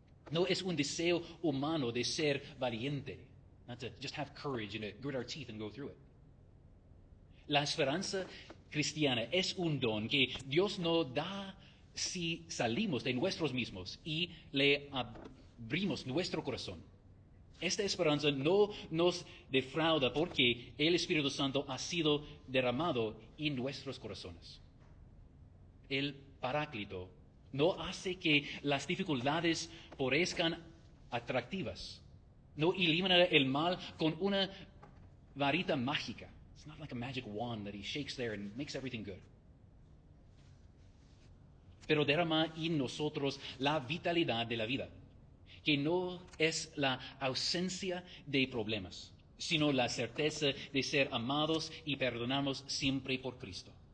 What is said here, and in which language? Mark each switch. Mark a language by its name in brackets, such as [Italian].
[Spanish] No es un deseo humano de ser valiente. [English] Not to just have courage and grit our teeth and go through it. [Spanish] La esperanza cristiana es un don que Dios nos da si salimos de nosotros mismos y le abrimos nuestro corazón. Esta esperanza no nos defrauda porque el Espíritu Santo ha sido derramado en nuestros corazones. El Paráclito no hace que las dificultades parezcan atractivas. No elimina el mal con una varita mágica. [English] It's not like a magic wand that he shakes there and makes everything good. [Spanish] Pero derrama en nosotros la vitalidad de la vida, que no es la ausencia de problemas, sino la certeza de ser amados y perdonados siempre por Cristo.